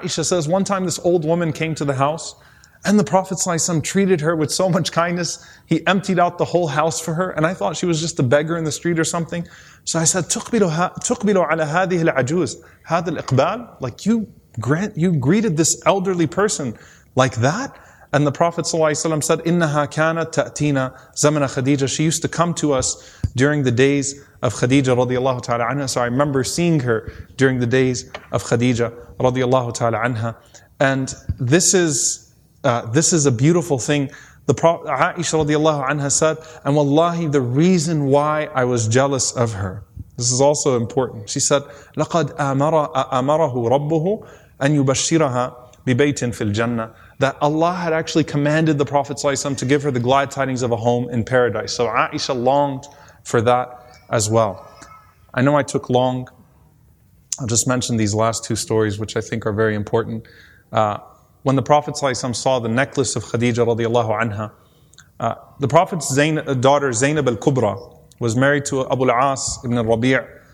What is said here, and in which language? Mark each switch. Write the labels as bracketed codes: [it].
[en] Aisha says, one time this old woman came to the house and the Prophet ﷺ treated her with so much kindness. He emptied out the whole house for her, and I thought she was just a beggar in the street or something. So I said, [ar] تقبلوا على هذه العجوز هذا الإقبال, [en] like you greeted this elderly person like that? And the Prophet ﷺ said, [ar] إِنَّهَا كَانَتْ تَأْتِينَ زَمَنَ خَدِيجَ. [en] She used to come to us during the days of Khadija radiallahu ta'ala anha. So I remember seeing her during the days of Khadija radiallahu ta'ala anha. And this is a beautiful thing. The Prophet Aisha radiallahu anha said, and wallahi, the reason why I was jealous of her. This is also important. She said, [ar] لَقَدْ أَمَرَهُ رَبُّهُ أَنْ يُبَشِّرَهَا بِبَيْتٍ فِي الْجَنَّةِ. [en] That Allah had actually commanded the Prophet ﷺ to give her the glad tidings of a home in paradise. So Aisha longed for that as well. I know I took long. I'll just mention these last two stories, which I think are very important. When the Prophet ﷺ saw the necklace of Khadija radiallahu anha, the Prophet's daughter Zainab al-Kubra was married to Abu al-As ibn al-Rabi'.